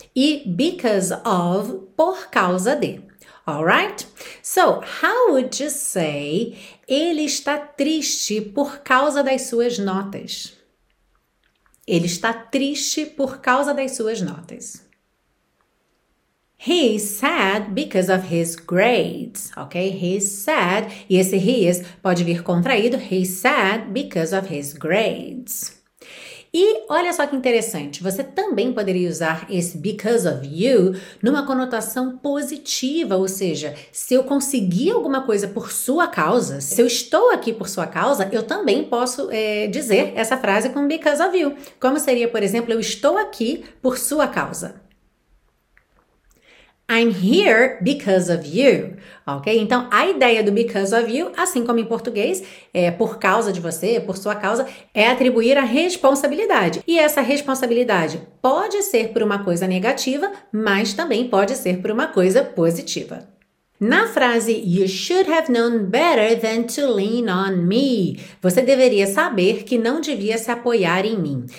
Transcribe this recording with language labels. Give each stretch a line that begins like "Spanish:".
Portuguese: E because of, por causa de, alright?
English: So, how would you say
Portuguese: ele está triste por causa das suas notas? Ele está triste por causa das suas notas.
English: He's sad because of his grades, ok?
Portuguese: He's sad, e esse he is pode vir contraído,
English: he's sad because of his grades.
Portuguese: E olha só que interessante, você também poderia usar esse because of you numa conotação positiva, ou seja, se eu conseguir alguma coisa por sua causa, se eu estou aqui por sua causa, eu também posso dizer essa frase com because of you. Como seria, por exemplo, eu estou aqui por sua causa.
English: I'm here because of you, ok?
Portuguese: Então, a ideia do because of you, assim como em português, é por causa de você, por sua causa, é atribuir a responsabilidade. E essa responsabilidade pode ser por uma coisa negativa, mas também pode ser por uma coisa positiva. Na frase,
English: you should have known better than to lean on me,
Portuguese: você deveria saber que não devia se apoiar em mim.